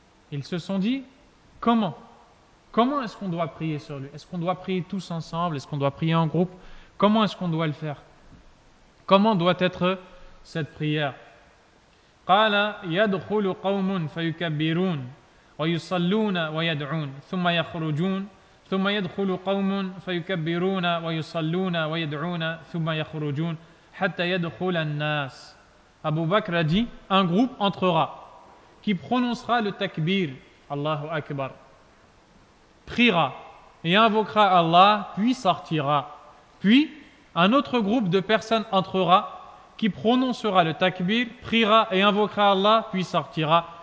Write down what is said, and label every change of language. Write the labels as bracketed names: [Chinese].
[French] Ils se sont dit, comment? Comment est-ce qu'on doit prier sur lui? Est-ce qu'on doit prier tous ensemble? Est-ce qu'on doit prier en groupe? Comment est-ce qu'on doit le faire? Comment doit être cette prière? [Arabic] قال يدخل قوم فيكبرون ويصلون ويدعون ثم يخرجون ثم يدخل قوم فيكبرون ويصلون ويدعون ثم يخرجون حتى يدخل الناس. [French] Abu Bakr a dit, un groupe entrera, qui prononcera le takbir, Allahu Akbar, priera et invoquera Allah, puis sortira. Puis, un autre groupe de personnes entrera, qui prononcera le takbir, priera et invoquera Allah, puis sortira.